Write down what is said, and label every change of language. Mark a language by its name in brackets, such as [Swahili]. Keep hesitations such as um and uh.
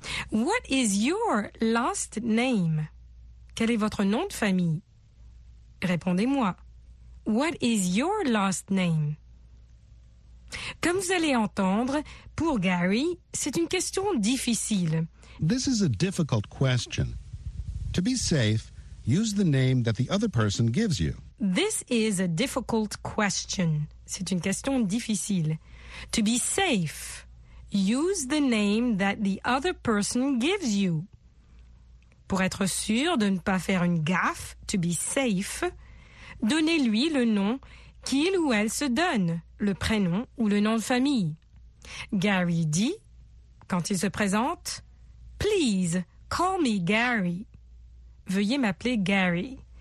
[English] What is your last name? [French] Quel est votre nom de famille? Répondez-moi. [English] What is your last name? [French] Comme vous allez entendre, pour Gary, c'est une question difficile. [English] This is a difficult question. To be safe, use the name that the other person gives you? This is a difficult question. [French] C'est une question difficile. [English] To be safe, use the name that the other person gives you. [French] Pour être sûr de ne pas faire une gaffe, [English] to be safe, [French] donnez-lui le nom qu'il ou elle se donne, le prénom ou le nom de famille. Gary dit, quand il se présente, [English] Please call me Gary [French] veuillez m'appeler Gary.